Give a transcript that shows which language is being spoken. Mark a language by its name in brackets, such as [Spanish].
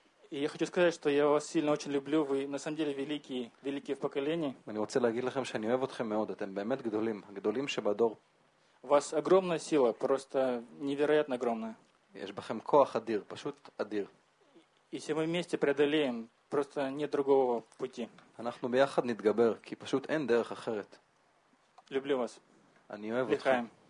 [Russian] И я хочу сказать, что я вас сильно очень люблю. Вы на самом деле великие, великие в поколении. Мне хочется [Hebrew] להגיד לכם שאני אוהב אתכם מאוד. אתם באמת גדולים, גדולים שבדור. [Russian] У вас огромная сила, просто невероятно огромная. [Hebrew] יש בכם כוח אדיר, פשוט אדיר. [Russian] И все мы вместе преодолеем, просто нет другого пути. [Hebrew] אנחנו ביחד נתגבר, כי פשוט אין דרך אחרת. [Russian] Люблю вас. [Hebrew] אני אוהב אתכם.